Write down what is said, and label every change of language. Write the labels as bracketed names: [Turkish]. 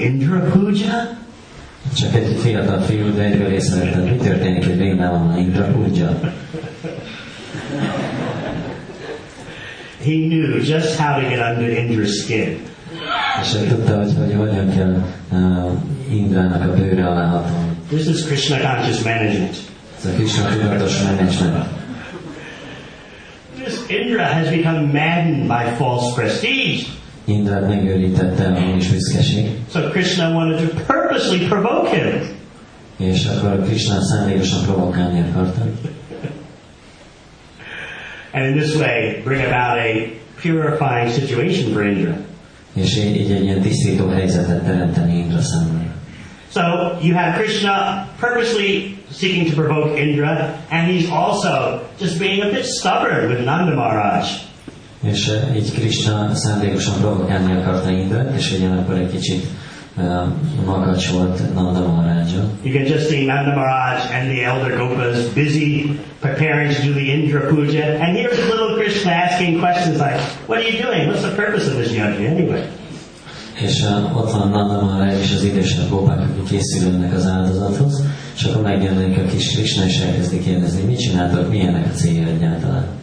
[English] Indra Puja? [Hungarian] Csak egy fiatal fiú, de egyből észrevette, mi történik, hogy Vrindavan a Indra Puja? [English] He knew just how to get under Indra's skin. [Hungarian] És ő tudta, hogy hogyan kell Indrának a bőre alá hatolni. [English] This is Krishna conscious management. [Hungarian] Ez a Krishna tudatos management. [English] This Indra has become maddened by false prestige. [Hungarian] Indra megőrítette a hamis büszkeség. [English] So Krishna wanted to purposely provoke him. [Hungarian] És akkor Krishna szándékosan provokálni akarta. [English] And in this way, bring about a purifying situation for Indra. [Hungarian] És így egy ilyen tisztító helyzetet teremteni Indra számára. [English] So you have Krishna purposely seeking to provoke Indra, and he's also just being a bit stubborn with Nanda Maharaj. [Hungarian] És így Krishna szándékosan provokálni akarta Indrát, és ugyanakkor egy kicsit magacs volt Nanda Maharaja. [English] You can just see Nanda Maharaj and the elder Gopas busy preparing to do the Indra Puja, and here's little Krishna asking questions like, what are you doing? What's the purpose of this yajna anyway? [Hungarian] És ott van Nanda Maharaj és az idősebb Gopák, akik készülnek az áldozathoz, és akkor megjelenik a kis Krishna, és elkezdik kérdezni, mit csináltok, milyenek a célja egyáltalán.